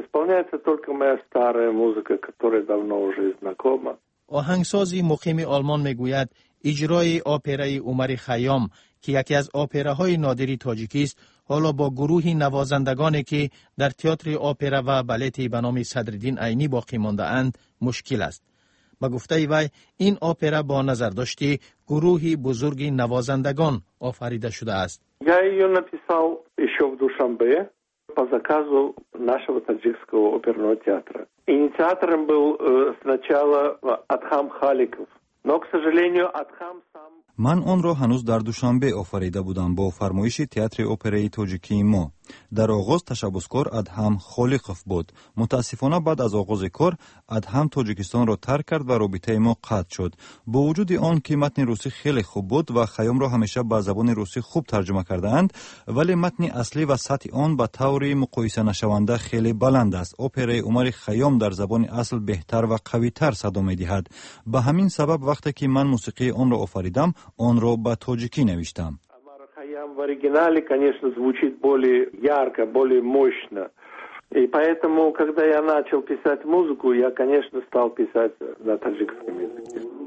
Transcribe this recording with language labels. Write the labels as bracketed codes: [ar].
[ru] Исполняется только моя старая музыка, которая давно уже знакома. [tg] Оҳангсози муқими олмон мегуяд, иҷрои операи Умари Хайём, ки яке аз операҳои нодири тоҷикист, ҳоло бо гурӯҳи навозандагоне, ки дар театри опера ва балети ба номи Садриддин Айнӣ боқӣ мондаанд, мушкил аст. Ба гуфтаи вай, ин опера бо назардошти гурӯҳи бузурги навозандагон офарида шудааст. [ru] Я её написал ещё в Душанбе. По заказу нашего таджикского оперного театра. Инициатором был сначала Адхам Халиков, но, к сожалению, Адхам сам... [tg] Ман онро ҳанӯз дар Душанбе офарида будам бо фармоиши театри операи тоҷикии мо. Дар оғоз ташаббускор Адҳам Холиқов буд. Мутаассифона баъд аз оғози кор Адҳам Тоҷикистонро тарк кард ва робитаи мо қатъ шуд. Бо вуҷуди он ки матни русӣ хеле хуб буд ва Хайёмро ҳамеша ба забони русӣ хуб тарҷума кардаанд, вале матни аслӣ ва сатҳи он ба таври муқоисанашаванда хеле баланд аст. Операи Умари Хайём дар забони асл беҳтар ва қавитар садо медиҳад. Ба ҳамин сабаб вақте ки ман мусиқии онро офаридам, он ро ба тоҷикӣ навиштам. [ru] Умар Хайям в оригинале, конечно, звучит более ярко, более мощно. И поэтому, когда я начал писать музыку, я, конечно, стал писать на таджикском языке.